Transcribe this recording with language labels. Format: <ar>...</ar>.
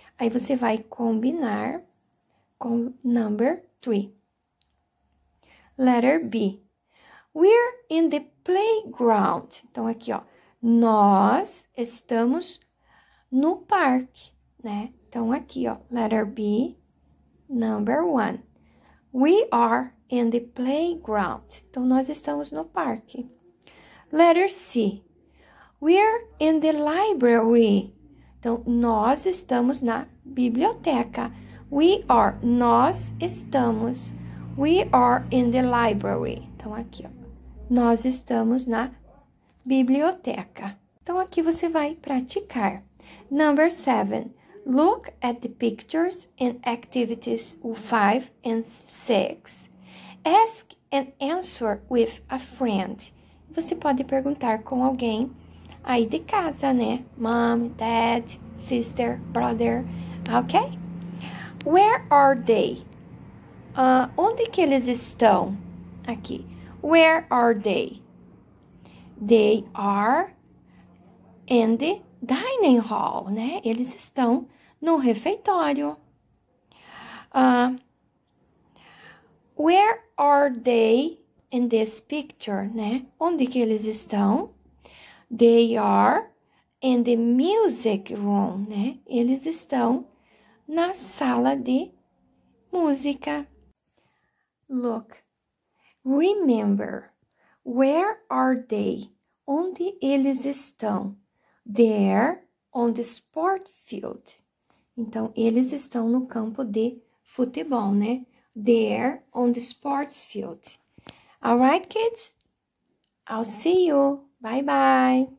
<pt>Aí você vai combinar com number 3. Letter B.</pt> <en>We're in the playground.</en> <pt>Então, aqui, ó. Nós estamos no parque, né? Então, aqui, ó, letter B, number 1.</pt> <en>We are in the playground.</en> <pt>Então, nós estamos no parque. Letter C.</pt> <en>We're in the library.</en> <pt>Então, nós estamos na biblioteca. Nós estamos.</pt> <en>We are in the library.</en> <pt>Então, aqui, ó, nós estamos na biblioteca. Então, aqui você vai praticar.</pt> <en>Number 7. Look at the pictures in activities 5 and 6. Ask and answer with a friend.</en> <pt>Você pode perguntar com alguém aí de casa, né? Mom, dad, sister, brother, ok?</pt> <en>Where are they?</en> <pt>Onde que eles estão? Aqui.</pt> <en>Where are they? They are in the dining hall, né?</en> <pt>Eles estão no refeitório.</pt> <en>Where are they in this picture, né?</en> <pt>Onde que eles estão?</pt> <en>They are in the music room, né?</en> <pt>Eles estão na sala de música.</pt> <en>Look. Remember. Where are they?</en> <pt>Onde eles estão?</pt> <en>They're on the sport field.</en> <pt>Então, eles estão no campo de futebol, né?</pt> <en>They're on the sports field. All right, kids? I'll see you. Bye-bye.</en>